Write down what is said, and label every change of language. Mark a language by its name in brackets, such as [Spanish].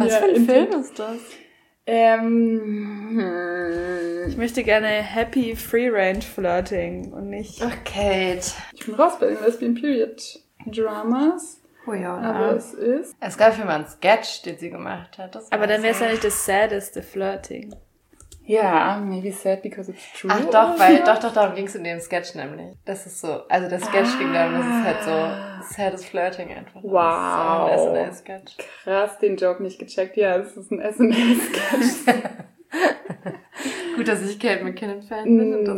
[German] Was für ein Film ist das? Ich möchte gerne [English] happy free-range flirting [German] und nicht... Ach, Kate. Ich bin raus bei den Lesbian Period Dramas. Oh ja, oder? Aber es ist. Es gab für mal einen Sketch, den sie gemacht hat. Das aber dann wäre es ja nicht das Saddeste, Flirting. [English] Ja, maybe sad because it's true. [German] Ach doch, weil darum ging es in dem Sketch nämlich. Das ist so, also der Sketch ging darum, das ist halt so [English] sad is flirting [German] einfach. Wow. Das ist so ein SNL-Sketch. Krass, den Joke nicht gecheckt. Ja, es ist ein SNL-Sketch. Gut, dass ich Kate McKinnon-Fan bin und das